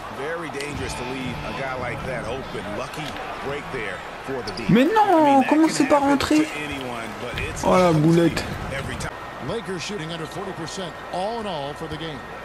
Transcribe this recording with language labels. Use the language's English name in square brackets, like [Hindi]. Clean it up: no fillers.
[English] Very dangerous to leave a guy like that open. Lucky break there for the D. [French] Mais non, comment c'est pas rentré? Oh la boulette. [English] Lakers shooting under 40% all in all for the game.